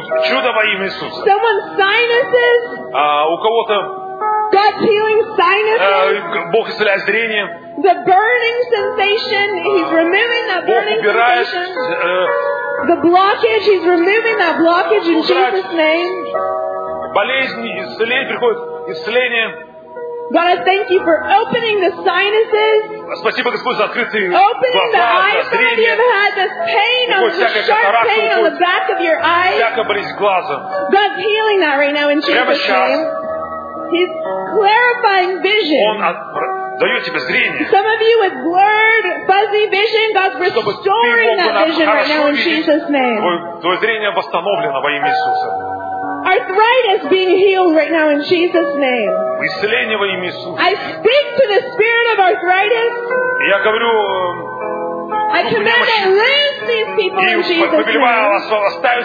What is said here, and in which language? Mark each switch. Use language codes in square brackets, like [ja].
[en] Someone's sinuses. God's healing sinuses. The burning sensation. He's removing that burning sensation. The blockage, he's removing that blockage in Jesus' name. [ru] болезни, исцеление приходит, исцеление. [en] God, I thank you for opening the sinuses. [ru] Спасибо, Господь, за открытые [en] opening глаза, the eyes [ru] за зрение. [en] Some of you have had this pain on the sharp pain on the back of your eyes. [ru] Всякая болезнь глаза. [en] God's healing that right now in Jesus' name. He's clarifying vision. [ru] Он дает тебе зрение. [en] Some of you with blurred, fuzzy vision, God's restoring that vision right now in Jesus' name. [ru] Твое зрение восстановлено во имя Иисуса. [en] Arthritis being healed right now in Jesus' name. [ru] Исцеление во имя Иисуса. [en] I speak to the spirit of arthritis. [ru] Я говорю. [en] I command and loose these people in Jesus' name.